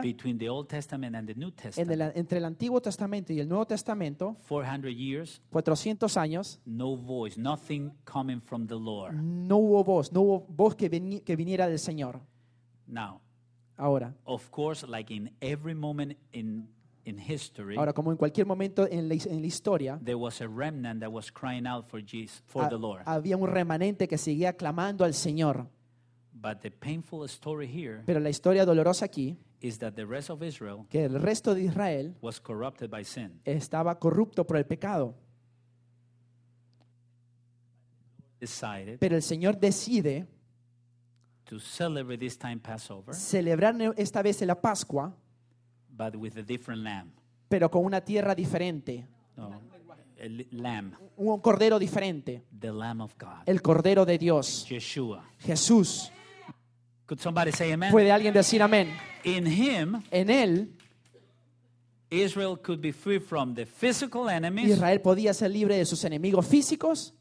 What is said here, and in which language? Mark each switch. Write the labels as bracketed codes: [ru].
[en] between the Old Testament and the New Testament, [es] entre el Antiguo Testamento y el Nuevo Testamento, [en] 400 years, [es] 400 años, [en] no voice, nothing coming from the Lord. [es] No hubo voz, no hubo voz que viniera del Señor. [en] Now, [es] ahora, [en] of course, like in every moment in history, [es] ahora como en cualquier momento en la historia, [en] there was a remnant that was crying out for Jesus, for the Lord. [es] Había un remanente que seguía clamando al Señor. [en] But the painful story here, [es] pero la historia dolorosa aquí, [en] is that the rest of Israel, [es] que el resto de Israel, [en] was corrupted by sin, [es] estaba corrupto por el pecado. [en] Decided, [es] pero el Señor decide, [en] to celebrate this time Passover, [es] celebrar esta vez la Pascua, [en] but with a different lamb, [es] pero con una tierra diferente, no, el lamb, un cordero diferente, [en] the lamb of God, [es] el cordero de Dios, [en] Yeshua, [es] Jesús. [en] Could somebody say amen? [es] ¿Puede alguien decir amén? [en] In him, [es] en él, [en] Israel could be free from the physical enemies. [es] Israel podía ser libre de sus enemigos físicos